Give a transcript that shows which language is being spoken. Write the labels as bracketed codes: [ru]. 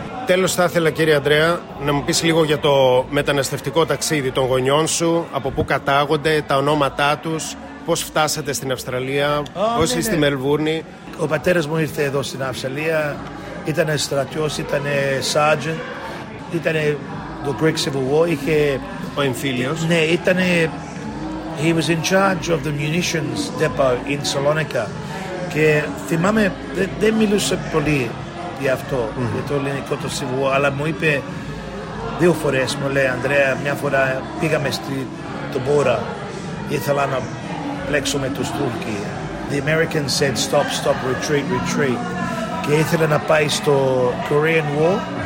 [el] Τέλος θα ήθελα, κύριε Ανδρέα, να μου πεις λίγο για το μεταναστευτικό ταξίδι των γονιών σου, από πού κατάγονται, τα ονόματά τους, πώς φτάσατε στην Αυστραλία, πώς είσαι στη Μελβούρνη. Ο πατέρας μου ήρθε εδώ στην Αυστραλία, ήταν στρατιός, ήταν sergeant. Ήταν το Greek Civil War, είχε... Ο εμφύλιος. Ναι, ήταν... [en] He was in charge of the munitions depot in Salonika. [el] Και θυμάμαι, δεν μιλούσε πολύ για αυτό, για το ελληνικό το Civil War, αλλά μου είπε δύο φορές, μου λέει, Ανδρέα, μια φορά πήγαμε στο Μπόρα, ήθελα να πλέξω με τους Τούρκοι. [en] The Americans said, stop, stop, retreat, retreat. [el] Και ήθελα να πάει στο [en] Korean War.